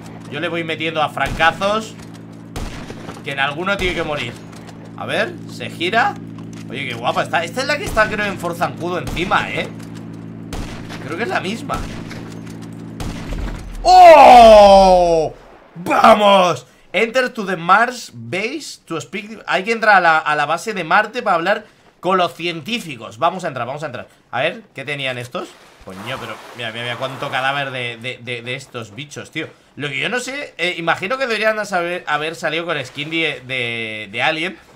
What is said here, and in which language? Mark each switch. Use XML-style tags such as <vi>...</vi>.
<es>Yo le voy metiendo a francazos. Que en alguno tiene que morir. A ver, se gira. Oye, qué guapa está. Esta es la que está, creo, en Forzancudo encima, Creo que es la misma. ¡Oh! ¡Vamos!</es> <en>Enter to the Mars base to speak.</en> <es>Hay que entrar a la base de Marte para hablar con los científicos. Vamos a entrar. A ver, ¿qué tenían estos? Coño, pero mira, cuánto cadáver de estos bichos, tío. Lo que yo no sé, imagino que deberían haber salido con skin de alien.</es>